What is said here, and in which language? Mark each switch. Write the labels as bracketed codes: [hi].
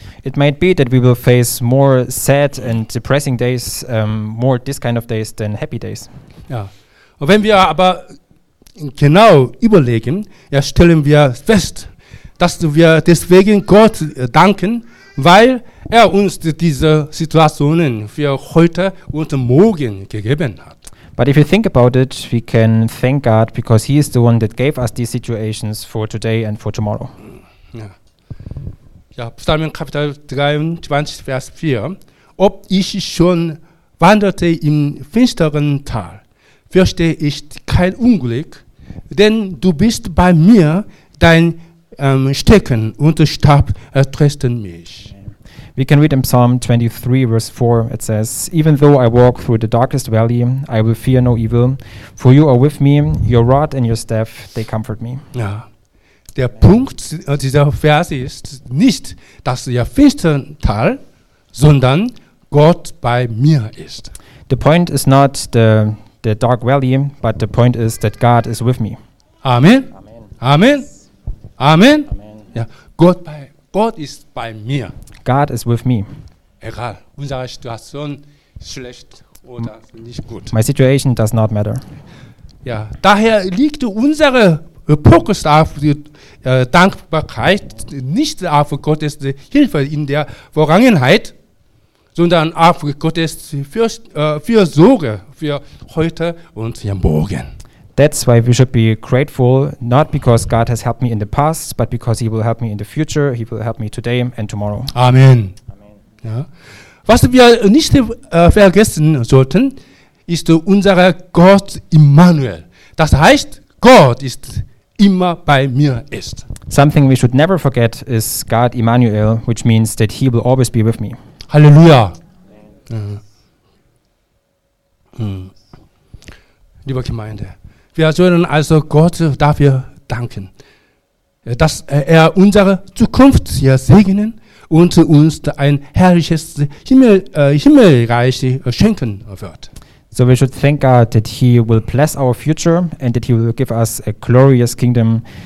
[en] It might be that we will face more sad and depressing days, more this kind of days than happy days. Ja. [de] Und wenn wir aber genau überlegen, stellen wir fest, dass wir deswegen Gott danken, weil er uns diese Situationen für heute und morgen gegeben hat. [en] But if you think about it, we can thank God because he is the one that gave us these situations for today and for tomorrow. [de] Ja. Ja, Psalm Kapitel 23, Vers 4. Ob ich schon wanderte im finsteren Tal, fürchte ich kein Unglück, denn du bist bei mir, dein stecken und starb, ertrösten mich. [en] We can read in Psalm 23, verse 4, it says, even though I walk through the darkest valley, I will fear no evil, for you are with me, your rod and your staff, they comfort me. Ja. [de] Der Punkt dieser Verse ist nicht, dass der Finstertal, sondern Gott bei mir ist. [en] The point is not the dark valley, but the point is that God is with me. Amen. Amen. Amen. Amen. Ja. [de] Gott ist bei mir. [en] God is with me. [de] Egal, unsere Situation schlecht oder nicht gut. [en] My situation does not matter. [de] Ja, daher liegt unsere Fokus auf die Dankbarkeit nicht auf Gottes Hilfe in der Vergangenheit, sondern auf Gottes Fürsorge für heute und für morgen. [en] That's why we should be grateful, not because God has helped me in the past, but because he will help me in the future, he will help me today and tomorrow. Amen. Ja. [de] Was wir nicht vergessen sollten, ist unser Gott Immanuel. Das heißt, Gott ist immer bei mir ist. [en] Something we should never forget is God Immanuel, which means that he will always be with me. Halleluja. [de] Liebe Gemeinde, wir sollen also Gott dafür danken, dass er unsere Zukunft hier segnen und uns ein herrliches Himmelreich schenken wird. [en] So we should thank God that he will bless our future and that he will give us a glorious kingdom.